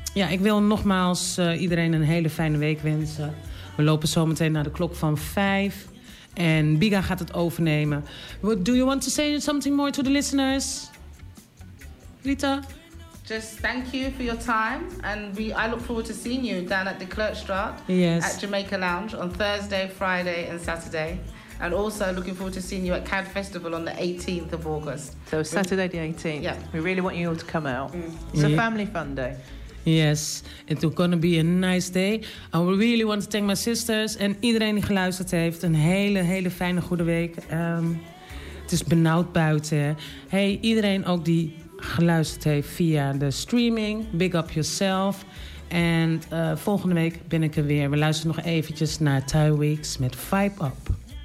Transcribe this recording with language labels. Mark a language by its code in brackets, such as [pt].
[nl] Ik wil nogmaals iedereen een hele fijne week wensen. We lopen zometeen naar de klok van 5. En Biga gaat het overnemen. [en] Do you want to say something more to the listeners? Rita? Just thank you for your time, and I look forward to seeing you down at the Klerkstraat, yes, at Jamaica Lounge on Thursday, Friday, and Saturday. And also looking forward to seeing you at CAD Festival on the 18th of August. So Saturday the 18th. Yeah. We really want you all to come out. Mm. It's a family fun day. Yes, it's going to be a nice day. I really want to thank my sisters and [nl] iedereen die geluisterd heeft. Een hele, hele fijne goede week. Het is benauwd buiten. Hey, iedereen ook die geluisterd heeft via de streaming. [en] Big up yourself. [nl] En volgende week ben ik er weer. We luisteren nog eventjes naar Ty Weeks met Vibe Up.